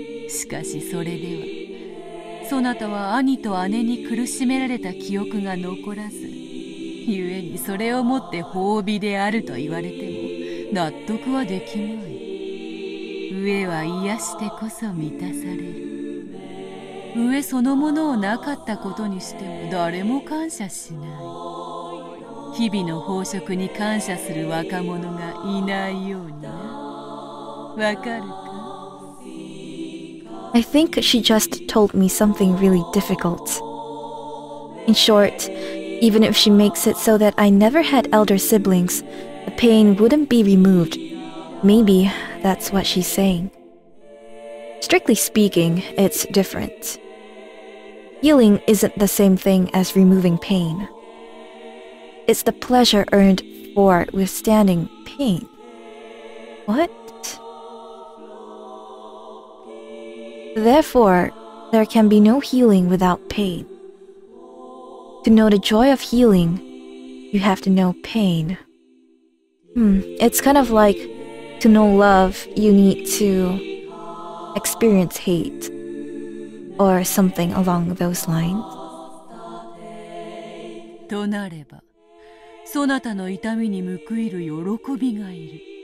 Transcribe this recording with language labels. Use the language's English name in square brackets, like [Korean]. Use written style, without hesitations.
[Japanese] しかしそれでは、 そなたは兄と姉に苦しめられた記憶が残らず、故にそれをもって褒美であると言われても納得はできない。上は癒してこそ満たされる。上そのものをなかったことにしても誰も感謝しない。日々の飽食に感謝する若者がいないようにな。わかるか? [English] I think she just told me something really difficult. In short, even if she makes it so that I never had elder siblings, the pain wouldn't be removed. Maybe that's what she's saying. Strictly speaking, it's different. Healing isn't the same thing as removing pain. It's the pleasure earned for withstanding pain. What? Therefore, there can be no healing without pain. To know the joy of healing, you have to know pain. It's kind of like, to know love, you need to experience hate, or something along those lines. [Japanese] となれば, そなたの痛みに報いる喜びがいる。